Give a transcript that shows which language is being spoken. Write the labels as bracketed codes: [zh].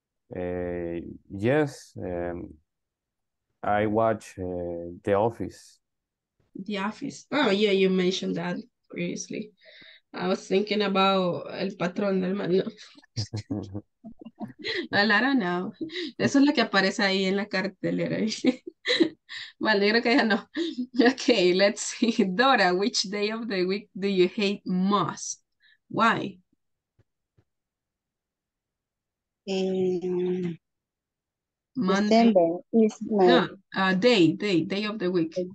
[en] Yes. I watch The Office. The Office. Oh yeah, you mentioned that previously. I was thinking about El Patrón del Mando. Well, I don't know. [es] Eso es lo que aparece ahí en la cartelera. Vale, creo que ya no. [en] Okay, let's see. Dora, which day of the week do you hate most? Why? Monday. December is my day of the week.